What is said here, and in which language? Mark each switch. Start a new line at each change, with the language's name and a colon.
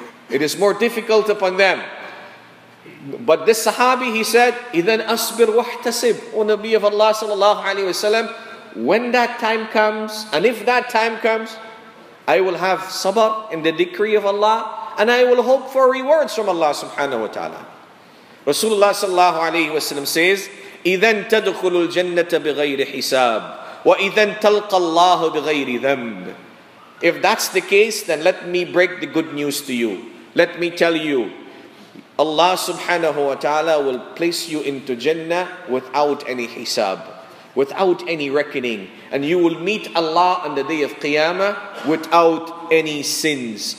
English: It is more difficult upon them. But this sahabi, he said,
Arabic: إِذَنْ أَصْبِرْ وَاحْتَسِبْ.
English: O Nabi of Allah sallallahu alayhi wa sallam, when that time comes, and if that time comes, I will have sabr in the decree of Allah, and I will hope for rewards from Allah subhanahu wa ta'ala. Rasulullah sallallahu alayhi wa sallam says,
Arabic: إِذَنْ تَدْخُلُ الْجَنَّةَ بِغَيْرِ حِسَابٍ وَإِذَنْ تَلْقَ اللَّهُ بِغَيْرِ ذَنْبٍ.
English: If that's the case, then let me break the good news to you. Let me tell you, Allah subhanahu wa ta'ala will place you into Jannah without any hisab, without any reckoning. And you will meet Allah on the day of Qiyamah without any sins.